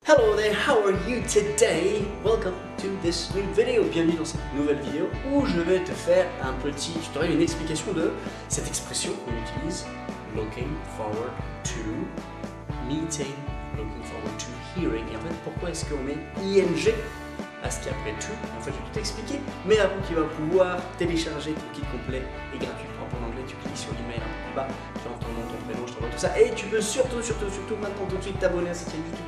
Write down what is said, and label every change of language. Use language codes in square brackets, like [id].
[en] Hello there, how are you today? Welcome to this new video. [fr] Bienvenue dans cette nouvelle vidéo où je vais te faire un petit tutoriel, une explication de cette expression qu'on utilise. [en] Looking forward to meeting, looking forward to hearing. [fr] Et en fait, pourquoi est-ce qu'on met ING à ce qu'il y a après to? En fait, je vais tout t'expliquer. Mais avant, tu vas pouvoir télécharger ton kit complet et gratuitement en anglais. Tu cliques sur l'email en bas. Ton nom, ton prénom, je t'envoie tout ça. Et tu peux surtout maintenant tout de suite t'abonner à cette chaîne YouTube.